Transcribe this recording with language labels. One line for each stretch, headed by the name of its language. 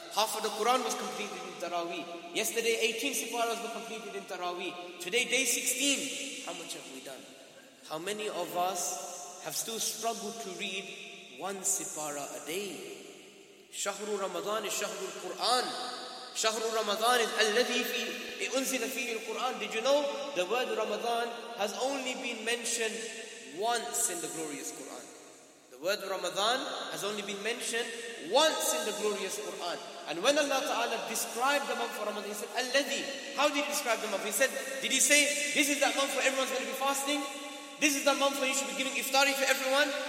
English: Half of the Quran was completed in Taraweeh. Yesterday, 18 sifaras were completed in Taraweeh. Today, day 16. How much have we done? How many of us have still struggled to read one sifara a day? Shahru Ramadan is Shahru Quran.
Arabic: شهر رمضان الذي فيه أنزل فيه القرآن.
English: Did you know the word Ramadan has only been mentioned once in the glorious Quran? The word Ramadan has only been mentioned once in the glorious Quran. And when Allah Ta'ala described the month for Ramadan, He said, "Alladhi." How did He describe the month? He said, "Did He say this is that month for everyone's going to be fasting? This is the month when you should be giving iftari to everyone.